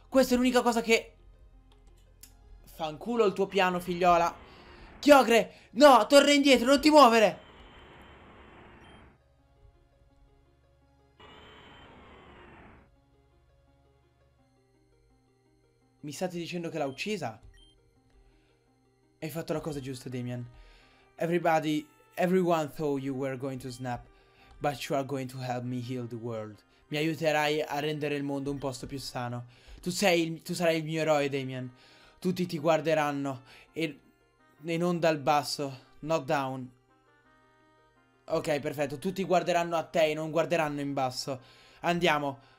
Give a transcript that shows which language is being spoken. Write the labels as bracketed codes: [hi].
[it] Questa è l'unica cosa che. Fanculo il tuo piano, figliola. Kyogre! No! Torna indietro, non ti muovere! Mi state dicendo che l'ha uccisa? Hai fatto la cosa giusta, Damian. [en] Everyone thought you were going to snap, but you are going to help me heal the world. [it] Mi aiuterai a rendere il mondo un posto più sano. Tu sarai il mio eroe, Damian. Tutti ti guarderanno e non dal basso, [en] not down. [it] Ok, perfetto. Tutti guarderanno a te e non guarderanno in basso. Andiamo.